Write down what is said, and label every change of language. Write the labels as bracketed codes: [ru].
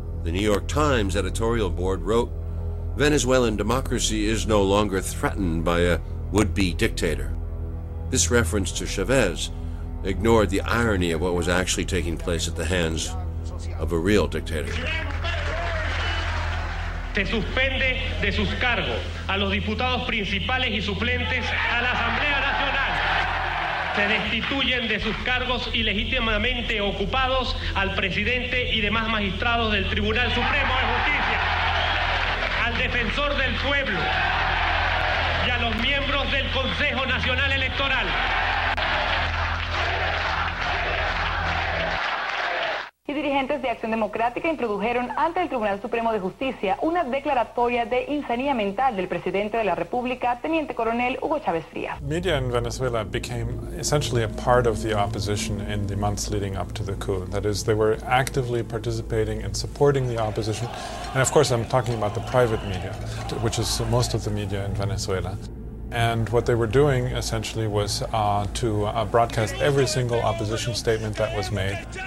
[en] The New York Times editorial board wrote, Venezuelan democracy is no longer threatened by a would-be dictator. This reference to Chavez ignored the irony of what was actually taking place at the hands of a real dictator. [es] Se suspende de sus cargos a los diputados principales y suplentes a la Asamblea Nacional. Se destituyen de sus cargos ilegítimamente ocupados al presidente y demás magistrados del Tribunal Supremo de Justicia. Defensor del pueblo y a los miembros del Consejo Nacional Electoral. Y dirigentes de Acción Democrática introdujeron ante el Tribunal Supremo de Justicia una declaratoria de insanidad mental del presidente de la República, Teniente Coronel Hugo Chávez Frías. [en] Media in Venezuela became essentially a part of the opposition in the months leading up to the coup. That is, they were actively participating and supporting the opposition. And of course, I'm talking about the private media, which is most of the media in Venezuela. And what they were doing, essentially, was to broadcast every single opposition statement that was made.